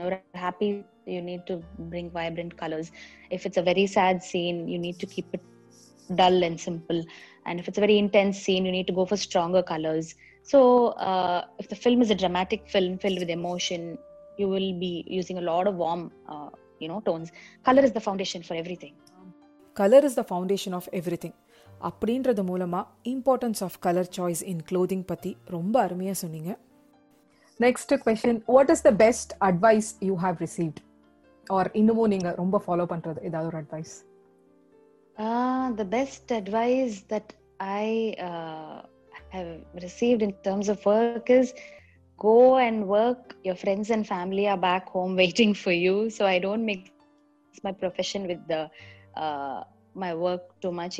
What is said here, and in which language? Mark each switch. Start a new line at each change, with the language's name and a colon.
English: Or happy, you need to bring vibrant colors. If it's a very sad scene, you need to keep it dull and simple, and if it's a very intense scene, you need to go for stronger colors. So if the film is a dramatic film filled with emotion, you will be using a lot of warm tones. Color is the foundation for everything.
Tamil: அப்படின்றது மூலமா
English: importance of colour choice in clothing
Tamil: பத்தி ரொம்ப அருமையா சொன்னீங்க.
English: next question, what is the best advice you have received or
Tamil: இன்னமும் நீங்க ரொம்ப follow பண்றது ஏதாவது ஒரு advice?
English: The best advice that I have received in terms of work is go and work. Your friends and family are back home waiting for you. So I don't mix my profession with my work too much.